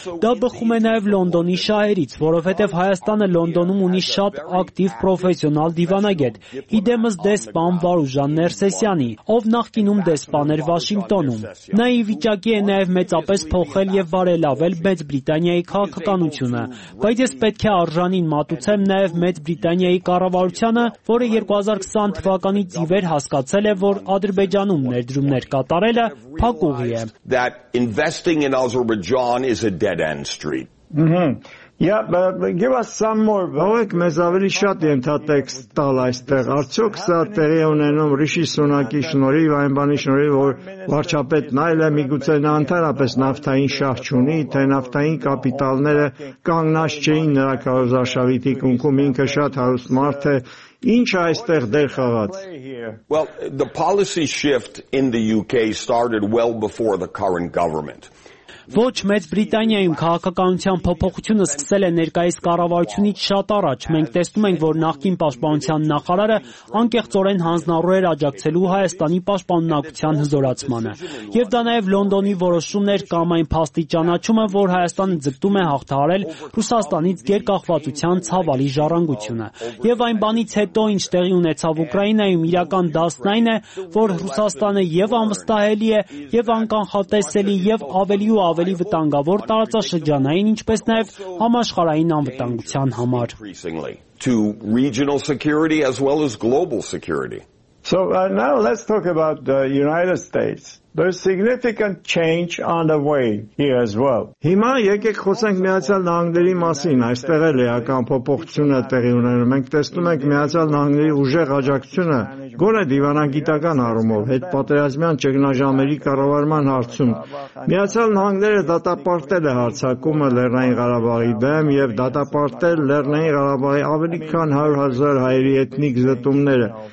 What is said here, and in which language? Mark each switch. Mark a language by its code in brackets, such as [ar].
[hy] Դա բխում է նաև Լոնդոնի շահերից, որովհետև Հայաստանը Լոնդոնում ունի շատ ակտիվ պրոֆեսիոնալ դիվանագետ, իդեմս դեսպան Վարուժան Ներսեսյանի, ով նախկինում դեսպան էր Վաշինգտոնում։ Նա ի վիճակի է նաև մեծապես փոխել և բարելավել Մեծ Բրիտանիայի քաղաքականությունը, բայց ես պետք պետք է արժանին մատուցեմ նաև Մեծ Բրիտանիայի կառավարությանը, որը 2020 թվականի ծիվեր հասկացել է, որ Ադրբեջանում ներդրումներ կատարելը փակուղի է. [en] That investing in Azerbaijan is a dead end street. Mm-hmm. Yeah, but give us some more. [hy] Բայց մեզ ավելի շատ ենթատեքստ տալ այստեղ։ Արդյոք սա տեղի ունենում Ռիշի Սունակի շնորհիվ, այն բանի շնորհիվ, որ վարչապետ Նայլը միգուցե նանթարապես նավթային շահ ունի, թե նավթային կապիտալները կանգնած չէին նրա կարոզարշավիտի կունքում, ինքը շատ հարուստ մարդ է, ինչ այստեղ դեր խաղաց։ [en] Well, the policy shift in the UK started well before the current government. [hy] Ոչ, Մեծ Բրիտանիայում քաղաքականության փոփոխությունը սկսել է ներկայիս կառավարությունից շատ առաջ։ Մենք տեսնում ենք, որ նախկին պաշտպանության նախարարը անկեղծորեն հանձնարարու էր աջակցելու Հայաստանի պաշտպանունակության հզորացմանը։ Եվ դա նաև Լոնդոնի որոշումն էր կամ այն փաստի ճանաչումը, որ Հայաստանը ձգտում է հաղթահարել Ռուսաստանից գերկախվածության ցավալի ժառանգությունը։ Եվ այն բանից հետո, ինչ տեղի ունեցավ Ուկրաինայում, իրական դասն այն է, որ Ռուսաստանը եւ անվստահելի է, եւ անկանխատեսելի, եւ ավելի ավելի վտանգավոր տարածաշրջանային, ինչպես նաև համաշխարհային անվտանգության համար. [en] To regional security as well as global security. So now let's talk about the United States. There's significant change on the way here as well. [hy] Հիմա եկեք խոսենք Միացյալ Նահանգների մասին, այստեղ էլ եական փոփոխություն է տեղի ունենում։ Մենք տեսնում ենք Միացյալ Նահանգների ուժեղ աջակցությունը գոնե դիվանագիտական առումով հետ պատերազմյան ճգնաժամերի կառավարման հարցում։ Միացյալ Նահանգները դատապարտել է հարձակումը Լեռնային Ղարաբաղի դեմ եւ դատապարտել Լեռնային Ղարաբաղի ավելի քան 100,000 հայերի էթնիկ զտումները։